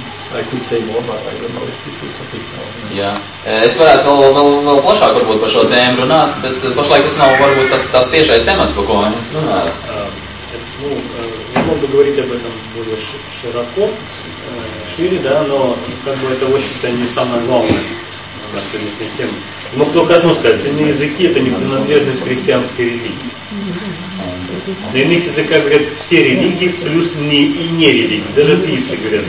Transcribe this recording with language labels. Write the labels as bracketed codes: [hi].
[en] I could say more, but I don't know if this is a topic now. [lv] Jā, es varētu vēl plašāk varbūt par šo tēmu runāt, bet pašlaik tas nav varbūt tas tiešais temats, par ko mēs runājam. [ru] Ну, я мог бы говорить об этом более широко, шире, да, но как бы это, в общем-то, не самое главное на сегодняшней теме. Но кто должен сказать, это не языки, это не принадлежность христианской религии. На иных языках говорят все религии, плюс не и не религии, даже атеисты говорят.